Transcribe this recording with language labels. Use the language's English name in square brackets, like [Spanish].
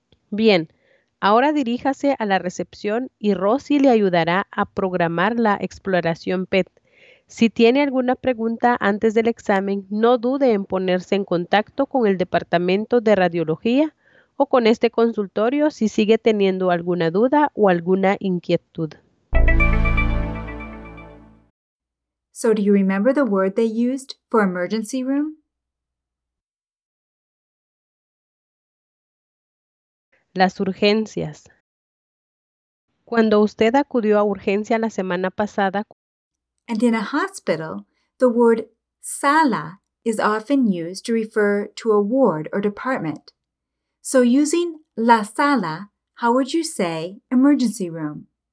[Spanish] Bien, ahora diríjase a la recepción y Rosy le ayudará a programar la exploración PET. Si tiene alguna pregunta antes del examen, no dude en ponerse en contacto con el departamento de radiología o con este consultorio si sigue teniendo alguna duda o alguna inquietud. [English] So, do you remember the word they used for emergency room? [Spanish] Las urgencias. Cuando usted acudió a urgencia la semana pasada. [English] And in a hospital, the word sala is often used to refer to a ward or department. So using la sala, how would you say emergency room?